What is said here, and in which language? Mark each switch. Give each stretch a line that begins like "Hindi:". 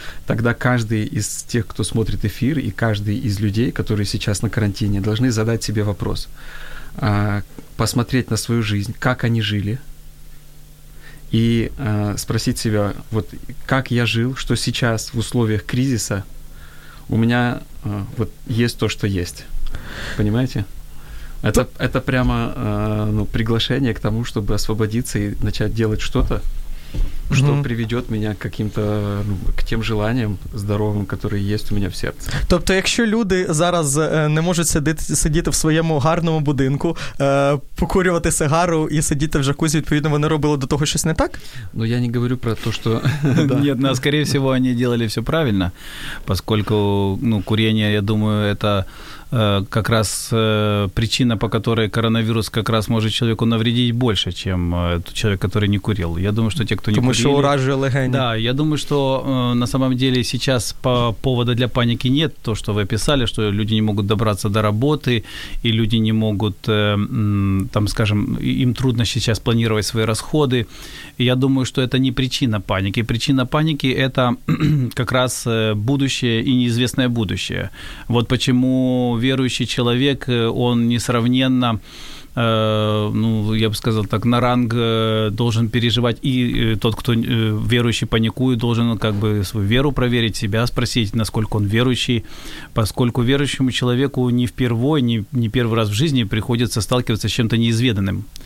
Russian: Тогда каждый из тех, кто смотрит эфир, и каждый из людей, которые сейчас на карантине, должны задать себе вопрос, посмотреть на свою жизнь, как они жили, и спросить себя, вот как я жил, что сейчас в условиях кризиса у меня вот есть то, что есть. Понимаете? Это прямо приглашение к тому, чтобы освободиться и начать делать что-то, что приведет меня к каким-то, ну, к тем желаниям здоровым, которые есть у меня в сердце.
Ukrainian: Тобто, якщо люди зараз не можуть сидіти в своєму гарному будинку, покурювати сигару і сидіти в джакузі, відповідно, вони робили до того щось не так?
Russian: Ну, я не говорю про то, что... Нет, ну, скорее всего, они делали все правильно, поскольку, ну, курение, я думаю, это как раз причина, по которой коронавирус как раз может человеку навредить больше, чем человек, который не курил. Я думаю, что те, кто не курил...
Ukrainian: Що уражує легені. Да, я думаю, що
Russian: на самом деле сейчас повода
Ukrainian: для паніки
Russian: нет,
Ukrainian: то, що ви описали, що люди не можуть добратися до роботи, і люди не можуть, там,
Russian: скажем,
Ukrainian: їм трудно
Russian: сейчас
Ukrainian: планувати свої расходи. І я думаю, що це не причина паніки.
Russian: Причина паніки – це как раз будущее і неизвестное будущее. Вот почему верующий человек, он несравненно, ну, я бы сказал так, на ранг должен переживать, и тот, кто верующий, паникует, должен как бы свою веру проверить, себя спросить, насколько он верующий, поскольку верующему человеку не впервой, не первый раз в жизни приходится сталкиваться с чем-то неизведанным.